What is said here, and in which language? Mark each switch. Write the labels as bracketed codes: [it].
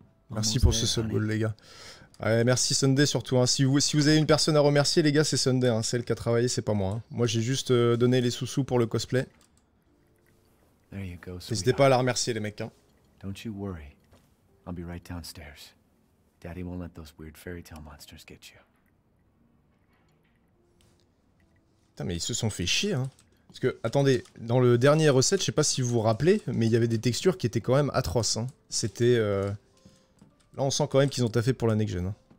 [fr] Merci pour ce sub goal, les gars. Ouais, merci Sunday, surtout, hein. Si vous avez une personne à remercier, les gars, c'est Sunday, hein. Celle qui a travaillé, c'est pas moi, hein. Moi, j'ai juste donné les sous-sous pour le cosplay. [en] There you go, sweetheart. [fr] N'hésitez pas à la remercier, les mecs, hein. [en] Don't you worry. I'll be right downstairs. Daddy won't let those weird fairy tale monsters get you. [fr] Putain, mais ils se sont fait chier, hein. Parce que, attendez, dans le dernier recette, je sais pas si vous vous rappelez, mais il y avait des textures qui étaient quand même atroces. Hein. C'était... Là, on sent quand même qu'ils ont taffé pour la next-gen. Hein.